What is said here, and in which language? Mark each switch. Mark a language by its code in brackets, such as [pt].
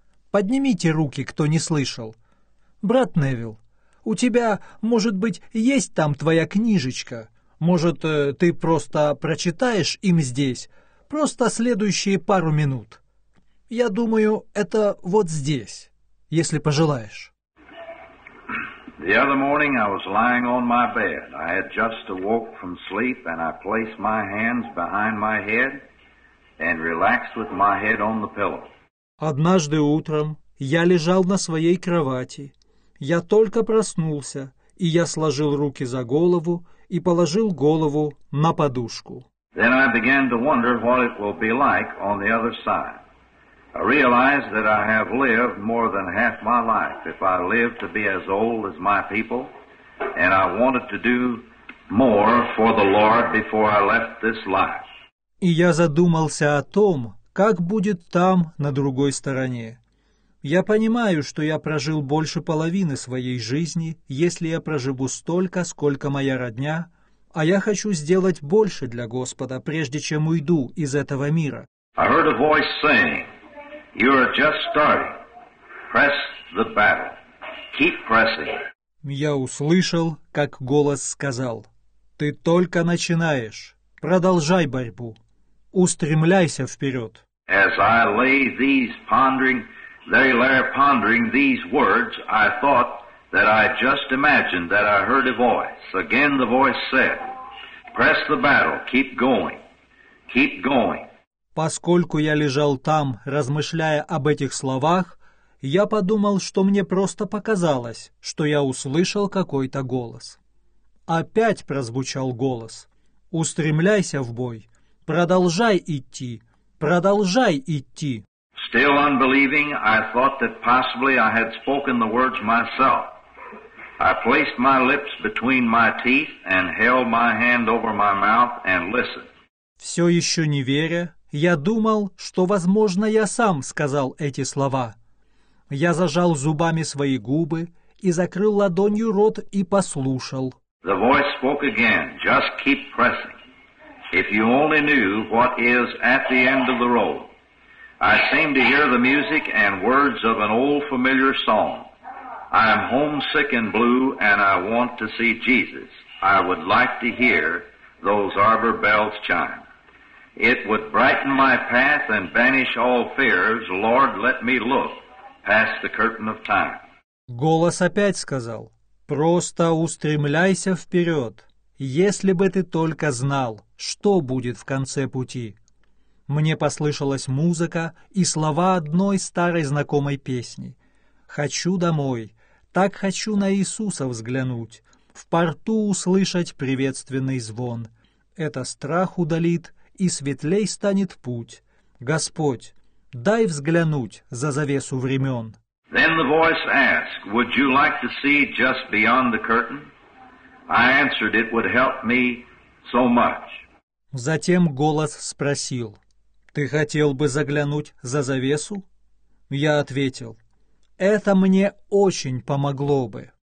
[ru] Поднимите руки, кто не слышал. Брат Невилл, у тебя, может быть, есть там твоя книжечка? Может, ты просто прочитаешь им здесь? Просто следующие пару минут. Я думаю, это вот здесь, если пожелаешь. [en] The other morning I was lying on my bed. I had just awoke from sleep and I placed my hands behind my head and relaxed with my head on the pillow. [ru] Однажды утром я лежал на своей кровати. Я только проснулся, и я сложил руки за голову и положил голову на подушку. [en] Then I began to wonder what it will be like on the other side. I realize that I have lived more than half my life. If I live to be as old as my people, and I wanted to do more for the Lord before I left this life. [ru] И я задумался о том, как будет там, на другой стороне. Я понимаю, что я прожил больше половины своей жизни, если я проживу столько, сколько моя родня, а я хочу сделать больше для Господа, прежде чем уйду из этого мира. [en] I heard a voice saying, "You are just starting. Press the battle. Keep pressing." [ru] Я услышал, как голос сказал: "Ты только начинаешь. Продолжай борьбу. Устремляйся вперед." [en] As I lay these pondering, they lay pondering these words, I thought that I just imagined that I heard a voice. Again, the voice said, "Press the battle. Keep going. Keep going." [ru] Поскольку я лежал там, размышляя об этих словах, я подумал, что мне просто показалось, что я услышал какой-то голос. Опять прозвучал голос: «Устремляйся в бой! Продолжай идти! Продолжай идти!» [en] Still unbelieving, I thought that possibly I had spoken the words myself. I placed my lips between my teeth and held my hand over my mouth and listened. [ru] Все еще не веря, я думал, что, возможно, я сам сказал эти слова. Я зажал зубами свои губы и закрыл ладонью рот и послушал. [en] The voice spoke again. Just keep pressing. If you only knew what is at the end of the road. I seemed to hear the music and words of an old familiar song. I am homesick and blue, and I want to see Jesus. I would like to hear those arbor bells chime. It would brighten my path and banish all fears. Lord, let me look past the curtain of time. [ru] Голос опять сказал: «Просто устремляйся вперед, если бы ты только знал, что будет в конце пути». Мне послышалась музыка и слова одной старой знакомой песни. «Хочу домой, так хочу на Иисуса взглянуть, в порту услышать приветственный звон. Это страх удалит, и светлей станет путь. Господь, дай взглянуть за завесу времен». [en] Then the voice asked, "Would you like to see just beyond the curtain?" I answered, "It would help me so much." [ru] Затем голос спросил: "Ты хотел бы заглянуть за завесу?" Я ответил: "Это мне очень помогло бы."